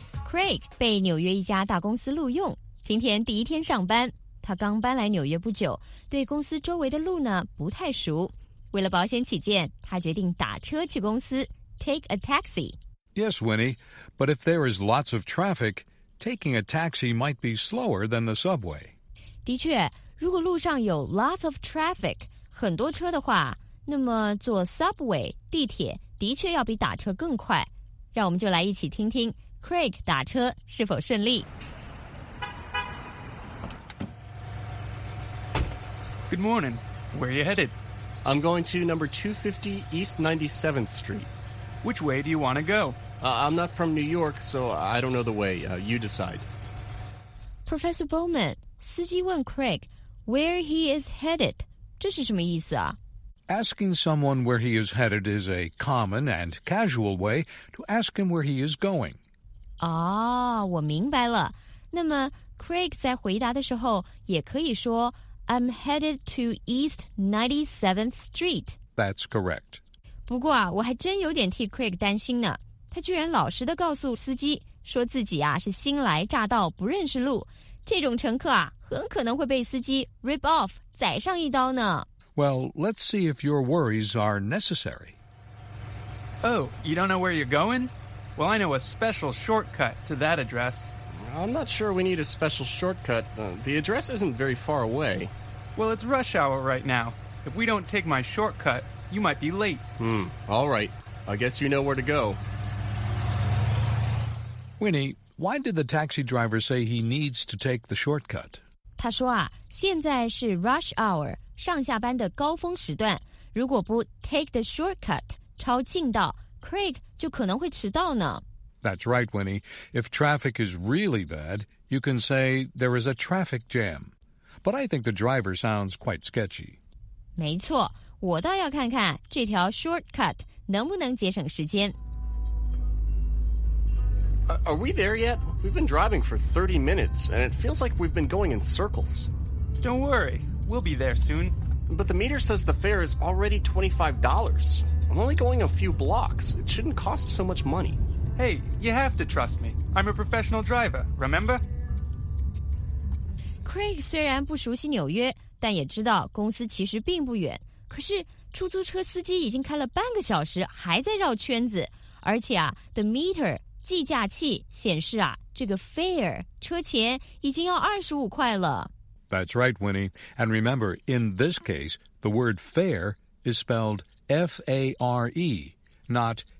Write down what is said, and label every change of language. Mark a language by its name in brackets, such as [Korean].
[Chinese] Craig 被纽约一家大公司录用，今天第一天上班。他刚搬来纽约不久，对公司周围的路呢不太熟，为了保险起见，他决定打车去公司， [English] take a taxi. Yes, Winnie, but if there is lots of traffic, taking a taxi might be slower than the subway. [Chinese] 的确，如果路上有 [English] lots of traffic, [Chinese] 很多车的话，那么坐 subway, 地铁的确要比打车更快。让我们就来一起听听 Craig 打车是否顺利。 [English] Good morning. Where are you headed? I'm going to number 250 East 97th Street. Which way do you want to go? I'm not from New York, so I don't know the way. You decide. Professor Bowman, [Chinese] 司机问 [English] Craig, where he is headed? [Chinese] 这是什么意思啊？ [English] Asking someone where he is headed is a common and casual way to ask him where he is going. [Chinese] 哦，我明白了。那么 Craig 在回答的时候也可以说 [English] I'm headed to East 97th Street. That's correct. [Chinese] 不过啊，我还真有点替 Craig 担心呢。他居然老实地告诉司机，说自己啊是新来乍到，不认识路。这种乘客啊，很可能会被司机 [English] rip off, [Chinese] 宰上一刀呢。 [English] Well, let's see if your worries are necessary. Oh, you don't know where you're going? Well, I know a special shortcut to that address. I'm not sure we need a special shortcut. The address isn't very far away. Well, it's rush hour right now. If we don't take my shortcut, you might be late. All right. I guess you know where to go. Winnie, why did the taxi driver say he needs to take the shortcut? [Chinese] 他说啊，现在是 rush hour, 上下班的高峰时段。如果不 [English] take the shortcut, [Chinese] 抄近道， Craig 就可能会迟到呢。 [English] That's right, Winnie. If traffic is really bad, you can say there is a traffic jam. But I think the driver sounds quite sketchy. [Chinese] 没错，我倒要看看这条 shortcut 能不能节省时间。 [English] Are we there yet? We've been driving for 30 minutes, and it feels like we've been going in circles. Don't worry, we'll be there soon. But the meter says the fare is already $25. I'm only going a few blocks. It shouldn't cost so much money. Hey, you have to trust me. I'm a professional driver, remember? [Chinese] Craig 虽然不熟悉纽约，但也知道公司其实并不远。可是出租车司机已经开了半个小时，还在绕圈子。而且啊 ，the meter 计价器显示啊，这个 fare 车钱已经要25块了。 [English] That's right, Winnie. And remember, in this case, the word fare is spelled F-A-R-E, not.